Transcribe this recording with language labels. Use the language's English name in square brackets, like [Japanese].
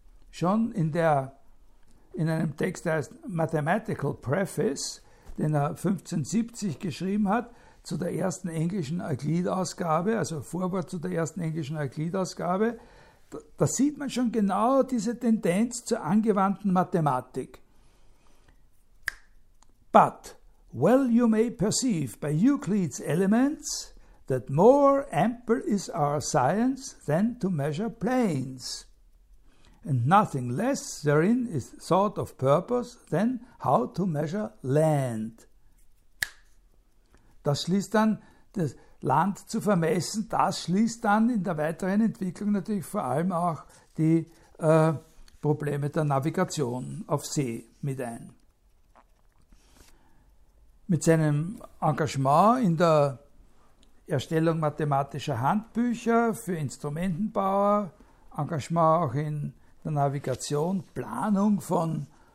[German] Schon in einem Text, der heißt Mathematical Preface, den er 1570 geschrieben hat, zu der ersten englischen Euclid-Ausgabe, also Vorwort zu der ersten englischen Euclid-Ausgabe, da sieht man schon genau diese Tendenz zur angewandten Mathematik. [English] But, well you may perceive by Euclid's Elements, that more ample is our science than to measure planes. And nothing less therein is thought of purpose than how to measure land. [German] Das schließt dann, das Land zu vermessen, das schließt dann in der weiteren Entwicklung natürlich vor allem auch die Probleme der Navigation auf See mit ein. Mit seinem Engagement in der Erstellung mathematischer Handbücher für Instrumentenbauer, Engagement auch in der Navigation, Planung von